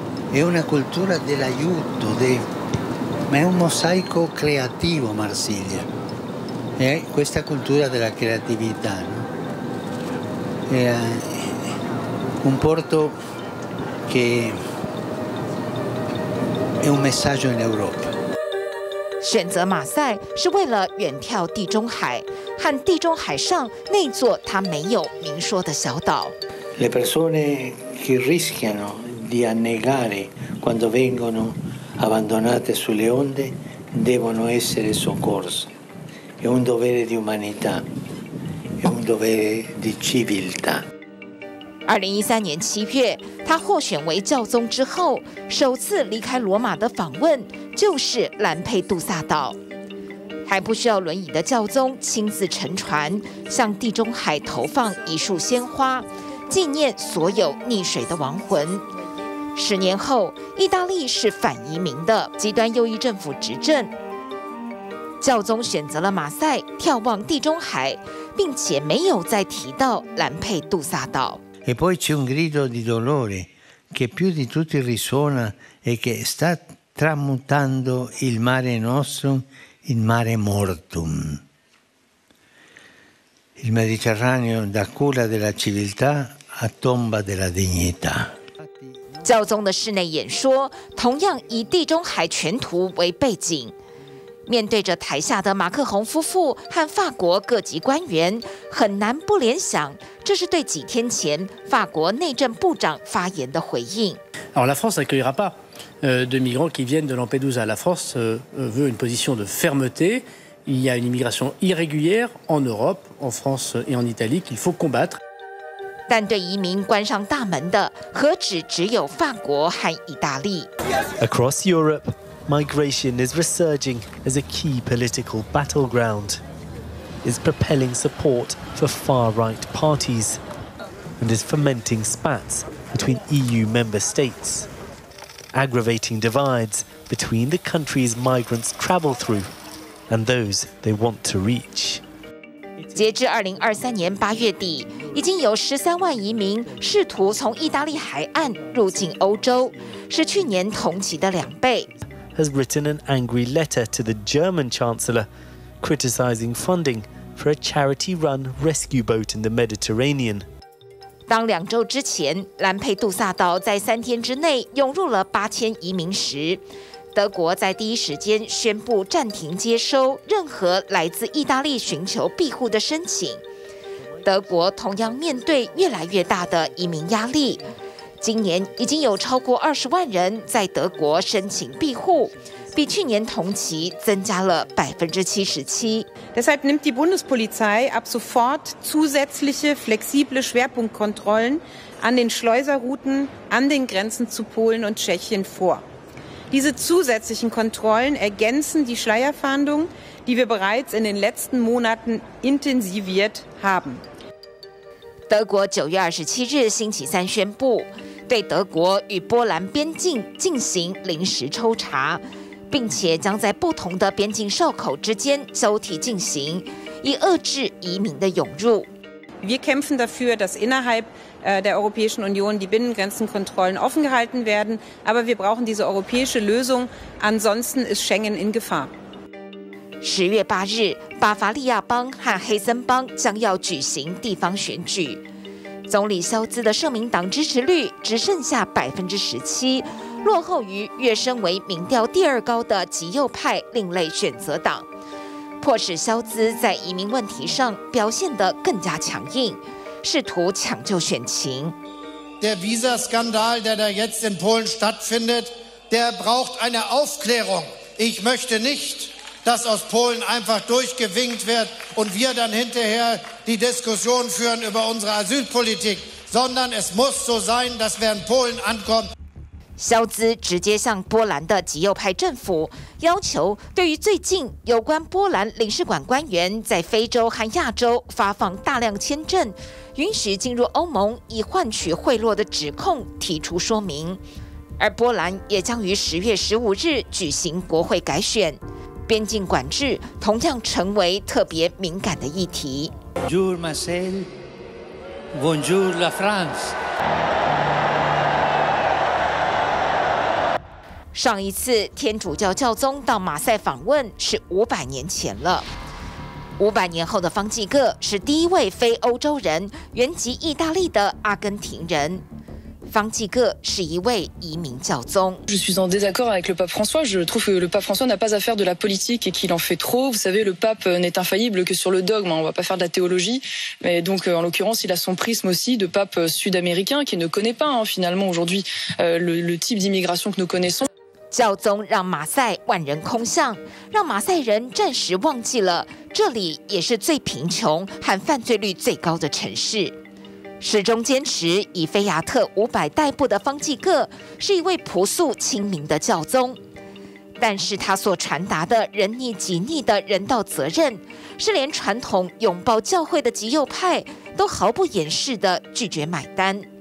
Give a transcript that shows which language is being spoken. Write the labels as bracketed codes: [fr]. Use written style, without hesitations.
[it] È una cultura dell'aiuto, ma è un mosaico creativo, Marsiglia. È questa cultura della creatività, no? È un porto che è un messaggio in Europa. [zh] 选择马赛是为了远眺地中海和地中海上那座他没有明说的小岛。 [it] Le persone che rischiano. Di annegare quando vengono abbandonate sulle onde devono essere soccorse. È un dovere di umanità, è un dovere di civiltà. [zh] 2013年七月，他获选为教宗之后，首次离开罗马的访问就是兰佩杜萨岛。还不需要轮椅的教宗亲自乘船，向地中海投放一束鲜花，纪念所有溺水的亡魂。 10年后，意大利是反移民的极端右翼政府执政。教宗选择了马赛眺望地中海，并且没有再提到兰佩杜萨岛。 [it] E poi c'è un grido di dolore che più di tutti risuona e che sta tramutando il mare nostrum in mare mortum. Il Mediterraneo da culla della civiltà a tomba della dignità. [zh] 教宗的室内演说同样以地中海全图为背景，面对着台下的马克宏夫妇和法国各级官员，很难不联想这是对几天前法国内政部长发言的回应。 [fr] Alors, la France n'accueillera pas de migrants qui viennent de Lampedusa. La France veut une position de fermeté. Il y a une immigration irrégulière en Europe, en France et en Italie qu'il faut combattre. [zh] 但对移民关上大门的，何止只有法国和意大利。 [en] Across Europe, migration is resurging as a key political battleground. It's propelling support for far-right parties and is fomenting spats between EU member states, aggravating divides between the countries migrants travel through and those they want to reach. [zh] 截至2023年八月底，已经有13万移民试图从意大利海岸入境欧洲，是去年同期的两倍。 [en] Has written an angry letter to the German Chancellor, criticizing funding for a charity-run rescue boat in the Mediterranean. [zh] 当两周之前，兰佩杜萨岛在3天之内涌入了8000移民时，德国在第一时间宣布暂停接收任何来自意大利寻求庇护的申请。德国同样面对越来越大的移民压力，今年已经有超过20万人在德国申请庇护，比去年同期增加了77%。 [de] Deshalb nimmt die Bundespolizei ab sofort zusätzliche flexible Schwerpunktkontrollen an den Schleuserrouten an den Grenzen zu Polen und Tschechien vor. Diese zusätzlichen Kontrollen ergänzen die Schleierfahndung, die wir bereits in den letzten Monaten intensiviert haben. [zh] 德国9月27日星期三宣布，对德国与波兰边境进行临时抽查，并且将在不同的边境哨口之间交替进行，以遏制移民的涌入。 [de] Wir kämpfen dafür, dass innerhalb der Europäischen Union die Binnengrenzenkontrollen offen gehalten werden. Aber wir brauchen diese europäische Lösung. Ansonsten ist Schengen in Gefahr. [zh] 10月8日，巴伐利亚邦和黑森邦将要举行地方选举。总理肖兹的社民党支持率只剩下17%，落后于跃升为民调第二高的极右派另类选择党。迫使肖兹在移民问题上表现得更加强硬，试图抢救选情。 [de] Der Visa-Skandal, der da jetzt in Polen stattfindet, der braucht eine Aufklärung. Ich möchte nicht, dass aus Polen einfach durchgewinkt wird und wir dann hinterher die Diskussion führen über unsere Asylpolitik, sondern es muss so sein, dass wir in Polen ankommen. [zh] 肖兹直接向波兰的极右派政府要求，对于最近有关波兰领事馆官员在非洲和亚洲发放大量签证，允许进入欧盟以换取贿赂的指控提出说明。而波兰也将于10月15日举行国会改选，边境管制同样成为特别敏感的议题。 [fr] Bonjour Marcel, Bonjour la France. [zh] 上一次天主教教宗到马赛访问是500年前了。 500年后的方济各是第一位非欧洲人，原籍意大利的阿根廷人。方济各是一位移民教宗。 [fr] Je suis en désaccord avec le pape François. Je trouve que le pape François n'a pas à faire de la politique et qu'il en fait trop. Vous savez, le pape n'est infaillible que sur le dogme. On va pas faire de la théologie. Mais donc, en l'occurrence, il a son prisme aussi de pape sud-américain qui ne connaît pas hein, finalement aujourd'hui le type d'immigration que nous connaissons. [zh] 教宗让马赛万人空巷，让马赛人暂时忘记了这里也是最贫穷和犯罪率最高的城市。始终坚持以菲亚特500代步的方济各是一位朴素亲民的教宗，但是他所传达的人逆己逆的人道责任，是连传统拥抱教会的极右派都毫不掩饰的拒绝买单。